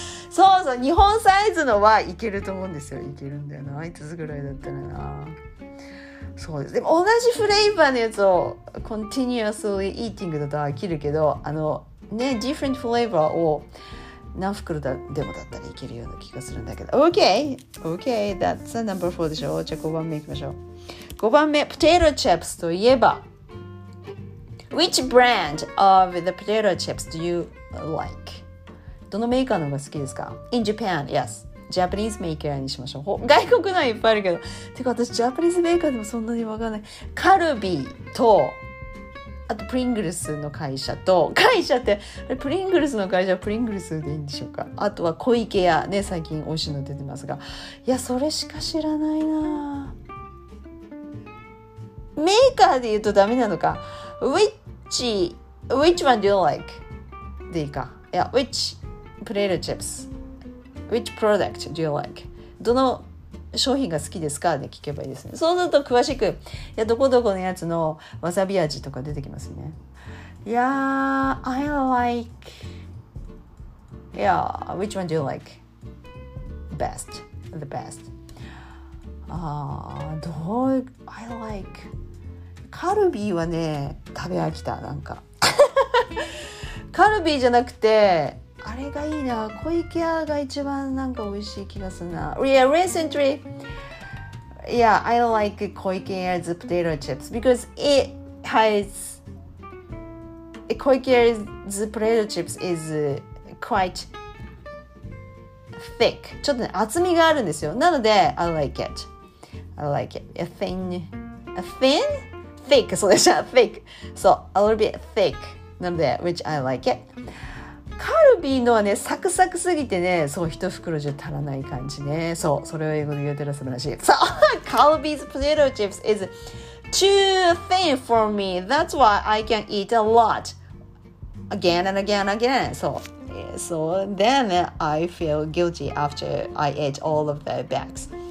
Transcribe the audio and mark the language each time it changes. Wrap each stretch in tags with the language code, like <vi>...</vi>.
<ja>そうそう、日本サイズのはいけると思うんですよ。いけるんだよな、あいつぐらいだったらな。そうです。でも同じフレーバーのやつを</ja> <en>continuously eating</en> <ja>だと飽きるけど、あのね、</ja> <en>different flavor</en> <ja>を何袋だでもだったらいけるような気がするんだけど。</ja> <en>Okay, that's a number 4でしょ。</en> <ja>じゃあ5番目いきましょう。</ja> <en>5番目、 potato chips といえば、 Which brand of the potato chips do you like?</en> <ja>どのメーカーの方が好きですか。</ja> <en>In Japan, yes.</en> <ja>Japanese maker にしましょう。外国のはいっぱいあるけど、てか私 Japanese maker でもそんなに分からない。カルビーと、あとプリングルスの会社と、会社ってあれ、プリングルスの会社はプリングルスでいいんでしょうか。あとは湖池屋ね、最近美味しいの出てますが、いや、それしか知らないな。メーカーで言うとダメなのか。</ja> <en>Which one do you like?</en> <ja>でいいか。</ja> <en>いや、 Whichプレイルチップス、 Which product do you like?</en> <ja>どの商品が好きですかって聞けばいいですね。そうすると詳しく、いや、どこどこのやつのわさび味とか出てきますね。</ja> <en>いやー、 I like、 Yeah, which one do you like? Best, the best、</en> <ja>どう、 I like カルビーはね、食べ飽きた、なんか。カルビーじゃなくて、あれがいいな、湖池屋が一番なんか美味しい気がするな。</ja> <en>Yeah, recently Yeah, I like 湖池屋's potato chips because it has 湖池屋's potato chips is quite thick、</en> <ja>ちょっとね、厚みがあるんですよ。</ja> <en>なので I like it a thick そうでした、 thick、 so a little bit thick なので、 which I like it。</en> <ja>カルビーのはね、サクサクすぎてね、そう、一袋じゃ足らない感じね。そう、それを英語で言うてら素晴らしい。</ja> <en>So, Calbee's potato chips is too thin for me. That's why I can eat a lot. Again and again and again. So then I feel guilty after I ate all of the bags.</en>